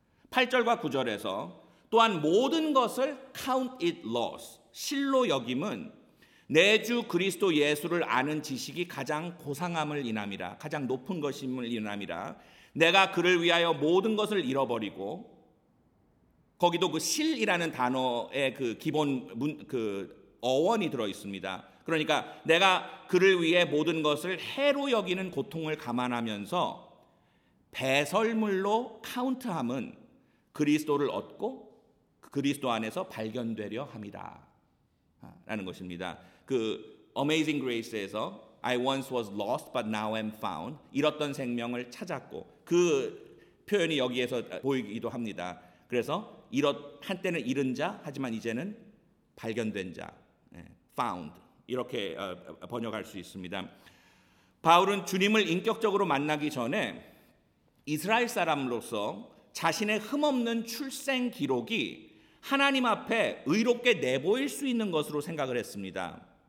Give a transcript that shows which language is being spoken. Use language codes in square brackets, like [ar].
[ko] 8절과 9절에서 또한 모든 것을 [en] count it loss, [ko] 실로 여김은 내 주 그리스도 예수를 아는 지식이 가장 고상함을 인함이라, 가장 높은 것임을 인함이라, 내가 그를 위하여 모든 것을 잃어버리고, 거기도 그 실이라는 단어의 그 기본 그 어원이 들어 있습니다. 그러니까 내가 그를 위해 모든 것을 해로 여기는 고통을 감안하면서 배설물로 카운트함은 그리스도를 얻고 그리스도 안에서 발견되려 합니다. 라는 것입니다. 그 Amazing Grace에서 [en] I once was lost but now am found. [ko] 잃었던 생명을 찾았고 그 표현이 여기에서 보이기도 합니다. 그래서 한때는 잃은 자 하지만 이제는 발견된 자 found 이렇게 번역할 수 있습니다. 바울은 주님을 인격적으로 만나기 전에 이스라엘 사람으로서 자신의 흠없는 출생 기록이 하나님 앞에 의롭게 내보일 수 있는 것으로 생각을 했습니다.